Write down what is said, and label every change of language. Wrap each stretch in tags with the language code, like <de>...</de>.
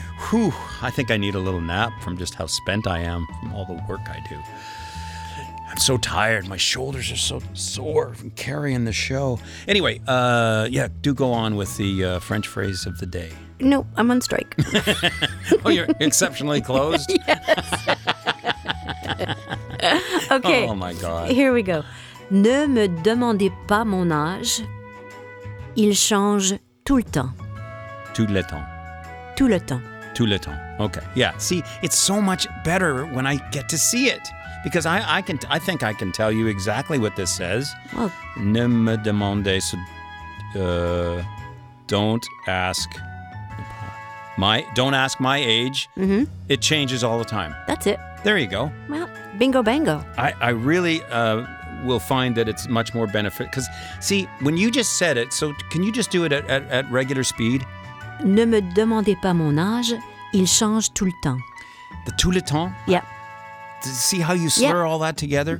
<en>Whew, I think I need a little nap from just how spent I am from all the work I do. I'm so tired. My shoulders are so sore from carrying the show. Anyway, do go on with the French phrase of the day. No, I'm on strike. Oh, you're exceptionally closed? Yes. Okay. Oh, my God. Here we go.</en> <fr>Ne me demandez pas mon âge. Il change tout le temps. Tout le temps. Tout le temps. Tout le temps.</fr> <en>Okay. Yeah. See, it's so much better when I get to see it, because I think I can tell you exactly what this says. Well,</en> <fr>ne me demandez,</fr> <en>don't ask my age. Mm-hmm. It changes all the time. That's it. There you go. Well, bingo bango. I really will find that it's much more benefit, because see, when you just said it, so can you just do it at regular speed?</en> <fr>Ne me demandez pas mon âge, il change tout le temps.</fr> <en>The</en> <fr>tout le temps?</fr> <en>Yeah. See how you slur all that together?</en>